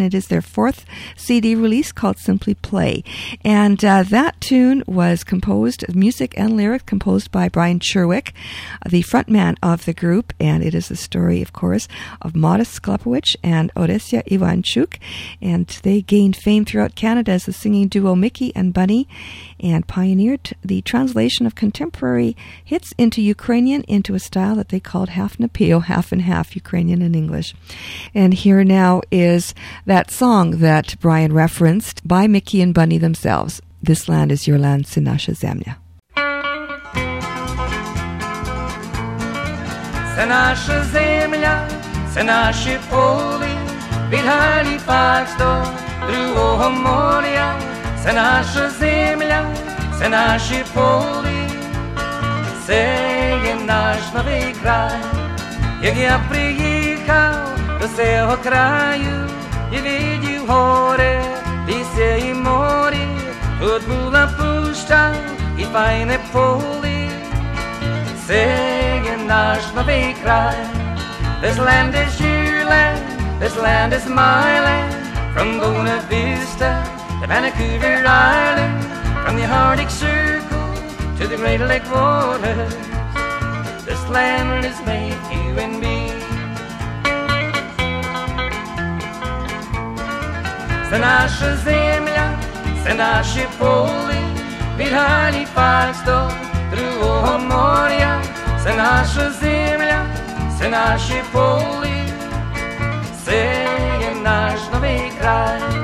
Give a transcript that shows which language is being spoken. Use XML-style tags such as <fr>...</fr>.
<en>It is their fourth CD release called Simply Play, and that tune was composed, music and lyric, composed by Brian Cherwick, the frontman of the group, and it is the story, of course, of Modest Sklepowicz and Odessa Ivanchuk, and they gained fame throughout Canada as the singing duo Mickey and Bunny, and pioneered the translation of contemporary hits into Ukrainian into a style that they called half Napeo, half and half Ukrainian and English. And here now is that song that Brian referenced by Mickey and Bunny themselves, This Land Is Your Land, Si Naša Zemlja.</en> <uk>Це наша земля, це наші полі, від Галіфакс до другого моря. Це наша земля, це наші полі, це є наш новий край. Як я приїхав до цього краю і видів горе, лісі і морі, тут була пуща і файне полі. Це є наш новий край.</uk> <en>This land is your land, this land is my land. From Buena Vista to Vancouver Island, from the Arctic Circle to the Great Lake waters, this land is made you and me.</en> <uk>Це наша земля, це наші полі, від Галіфакс до другого моря. Це наша земля, це наші полі, це є наш новий край.</uk>